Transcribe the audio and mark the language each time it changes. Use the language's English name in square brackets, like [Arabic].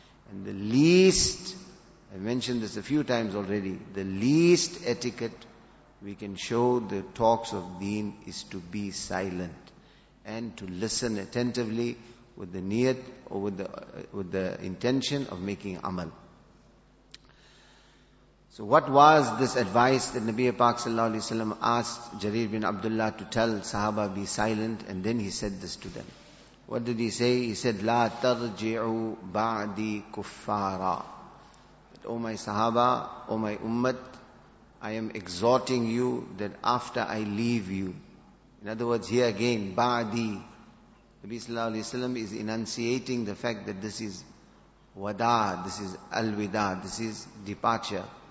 [English] And the least, I mentioned this a few times already, the least etiquette we can show the talks of deen is to be silent and to listen attentively with the niyat or with the intention of making amal. So what was this advice that Nabi Pak sallallahu alayhi wa sallam asked Jarir bin Abdullah to tell Sahaba, be silent, and then he said this to them. What did he say? He said, [Arabic] لا ترجعوا بعدي كفارا. [English] Oh my Sahaba, oh my Ummat, I am exhorting you that after I leave you. In other words, here again, بعدي. Nabi sallallahu alayhi wa sallam is enunciating the fact that this is wada, this is al-wida, this is departure.